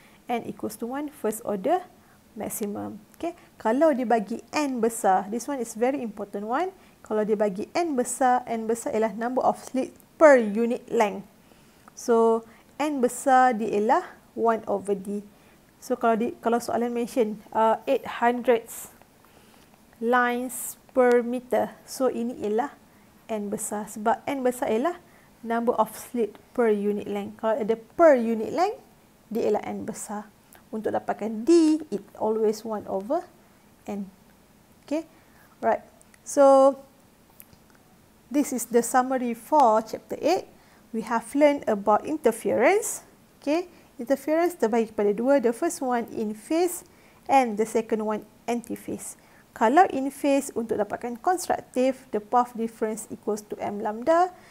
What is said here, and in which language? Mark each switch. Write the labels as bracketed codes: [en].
[en] N equals to 1 first order maximum. Okay, [ms] kalau dia bagi N besar, [en] this one is very important one. [ms] Kalau dia bagi N besar, N besar ialah [en] number of slit per unit length. [ms] So N besar dia ialah 1 over D. So kalau kalau soalan mention 800 [en] lines per meter, [ms] so ini ialah N besar. Sebab N besar ialah [en] number of slit per unit length. [ms] Kalau ada [en] per unit length, [ms] dia ialah N besar. Untuk dapatkan D, [en] it always 1 over N. Okay, right. So this is the summary for chapter 8. We have learned about interference. Okay, interference [ms] terbagi kepada dua. [en] The first one in phase and the second one antiphase. [ms] Kalau [en] in phase, [ms] untuk dapatkan [en] constructive, the path difference equals to M lambda.